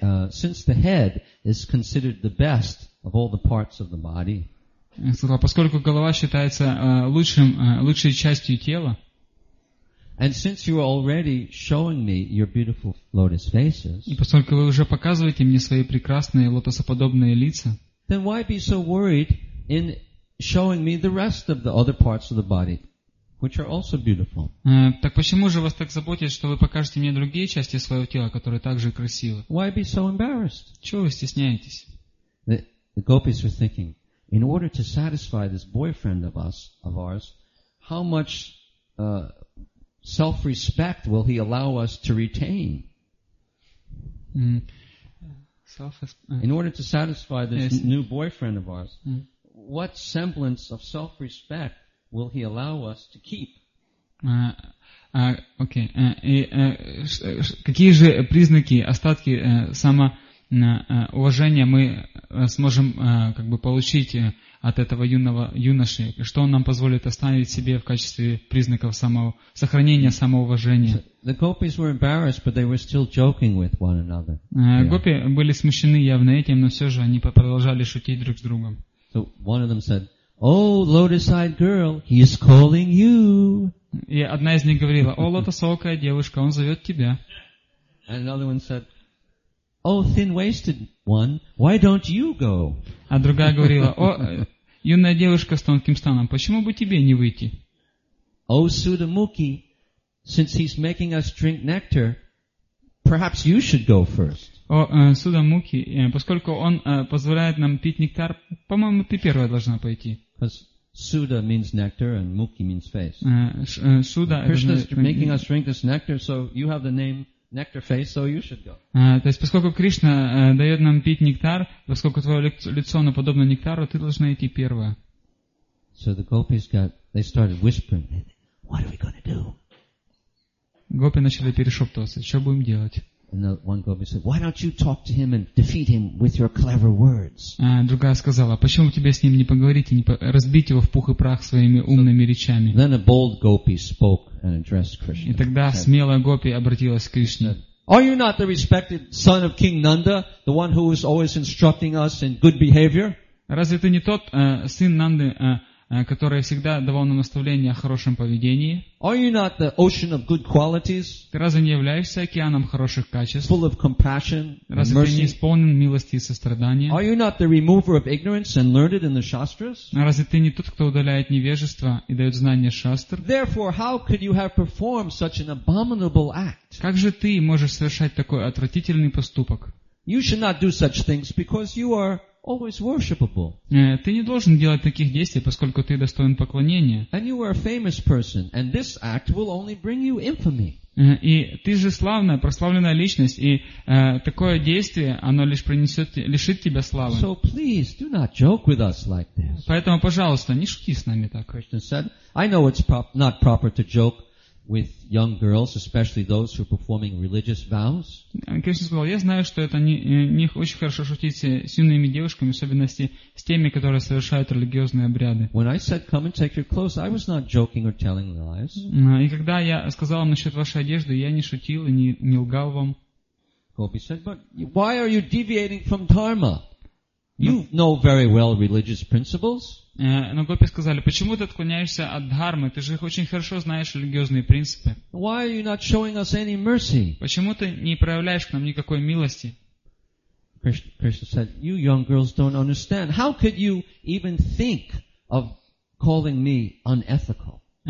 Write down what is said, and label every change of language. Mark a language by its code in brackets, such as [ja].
[en] Since the head is considered the best of all the parts of the body. [ru] Сказал, поскольку голова считается лучшей частью тела. [en] And since you are already showing me your beautiful lotus faces. [ru] И поскольку вы уже показываете мне свои прекрасные лотосоподобные лица. [en] Then why be so worried in showing me the rest of the other parts of the body, which are also beautiful? [ru] Так почему же вас так заботит, что вы покажете мне другие части своего тела, которые также красивы? [en] Why be so embarrassed? [ru] Чего вы стесняетесь? [en] The gopis were thinking, in order to satisfy this boyfriend of ours, how much self-respect will he allow us to retain? In order to satisfy this new boyfriend of ours, what semblance of self-respect will he allow us to keep? [ru] Какие же признаки, остатки уважение мы сможем как бы получить от этого юного юноши, что он нам позволит оставить себе в качестве признаков самого сохранения самоуважения. [en] The gopis were embarrassed, but they were still joking with one another. [ru] Гопи были смущены явно этим, но все же они продолжали шутить друг с другом. [en] So one of them said, "Oh, lotus-eyed girl, he is calling you." [ru] И одна из них говорила: "О, лотосокая девушка, он зовет тебя." [en] And another one said, "Oh, thin-waisted one, why don't you go?" [ru] А другая говорила: "О, юная девушка с тонким станом, почему бы тебе не выйти?" [en] "Oh, Sudamuki, since he's making us drink nectar, perhaps you should go first." [ru] О, Судамуки, поскольку он позволяет нам пить нектар, по-моему, ты первая должна пойти. [en] Suda means nectar and Muki means face. [ru] Suda. [en] Krishna is making us drink this nectar, so you have the name Nectar Face, so you should go. [ru] То есть, поскольку Кришна дает нам пить нектар, поскольку твое лицо наподобно нектару, ты должна идти первая. [en] So the gopis they started whispering. What are we going to do? [ru] Гопи начали перешептываться. Что будем делать? [en] And one gopi said, "Why don't you talk to him and defeat him with your clever words?" [ru] Другая сказала: "Почему тебе с ним не поговорить и не разбить его в пух и прах своими умными речами?" [en] Then a bold gopi spoke and addressed Krishna. [ru] И тогда смелая гопи обратилась к Кришне. [en] "Are you not the respected son of King Nanda, the one who is always instructing us in good behavior?" [ru] Разве ты не тот сын Нанды, который всегда давал нам наставления о хорошем поведении? [en] Are you not the ocean of good qualities? [ru] Ты разве не являешься океаном хороших качеств? [en] Full of compassion, [ru] разве ты не исполнен милости и сострадания? [en] Are you not the remover of ignorance and learned in the shastras? [ru] Разве ты не тот, кто удаляет невежество и дает знания шастр? [en] Therefore, how could you have performed such an abominable act? [ru] Как же ты можешь совершать такой отвратительный поступок? [en] You should not do such things because you are always worshipable. [ru] Ты не должен делать таких действий, поскольку ты достоин поклонения. [en] And you are a famous person, and this act will only bring you infamy. [ru] И ты же славная, прославленная личность, и такое действие, оно лишь принесет, лишит тебя славы. [en] So please do not joke with us like this. [ru] Поэтому, пожалуйста, не шути с нами так. [en] Krishna said, "I know it's not proper to joke with young girls, especially those who are performing religious vows." [ru] Кришна сказал: "Я знаю, что это не очень хорошо шутить с юными девушками, особенно с теми, которые совершают религиозные обряды." [en] When I said, "Come and take your clothes," I was not joking or telling lies. [ru] И когда я сказал вам насчет вашей одежды, я не шутил и не лгал вам. [en] Gopi said, "But why are you deviating from dharma? You know very well religious principles." [ru] Но гопи сказали: "Почему ты отклоняешься от дхармы? Ты же очень хорошо знаешь религиозные принципы. [en] Why are you not showing us any mercy?" [ru] Почему ты не проявляешь к нам никакой милости? [en] Krishna said, "You young girls don't understand. How could you even think of calling me unethical?"